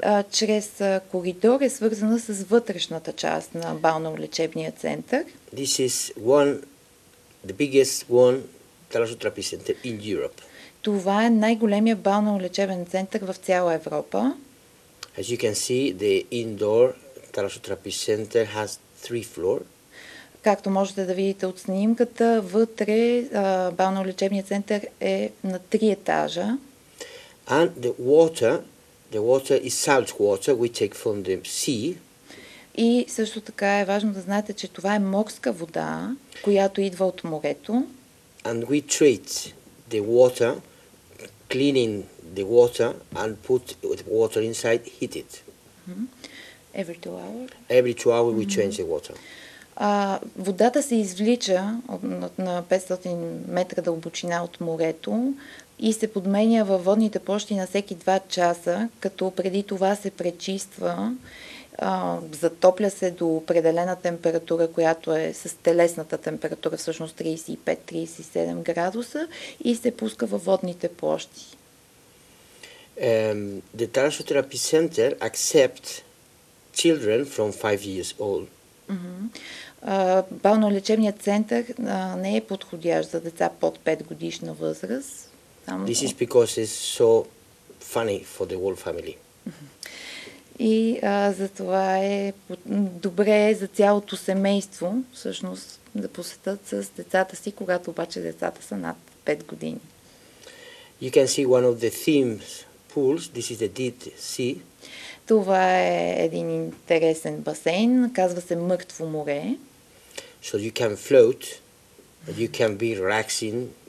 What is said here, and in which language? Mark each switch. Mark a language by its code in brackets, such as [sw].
[bg] Чрез коридор е свързана с вътрешната част на балнеолечебния център. [en] This is the biggest one Thalassotherapy Center in Europe. [bg] Това е най-големия балнеолечебен център в цяла Европа. [en] As you can see, the indoor Thalassotherapy Center has three floors. [bg] Както можете да видите от снимката, вътре балнеолечебният център е на три етажа. [en] And the water is salt water we take from the sea. [bg] И също така е важно да знаете, че това е морска вода, която идва от морето. [en] And we treat the water, cleaning the water and put the water inside, heat it. Every 2 hours. Every 2 hours we change the water. [bg] Водата се извлича на 500 метра дълбочина от морето и се подменя във водните площи на всеки 2 часа, като преди това се пречиства, затопля се до определена температура, която е с телесната температура, всъщност 35-37 градуса, и се пуска във водните площи. [en] The Thalassotherapy Center accepts children from 5 years old. [bg] Балнеолечебният център не е подходящ за деца под 5 годишна възраст. [en] This is because it's so funny for the whole family. [bg] И затова е добре за цялото семейство, всъщност, да посетят с децата си, когато обаче децата са над 5 години. [en] You can see one of the themes pools. This is the deep sea. [bg] Това е един интересен басейн, казва се Мъртво море. [en] So you can float, you can be relaxing.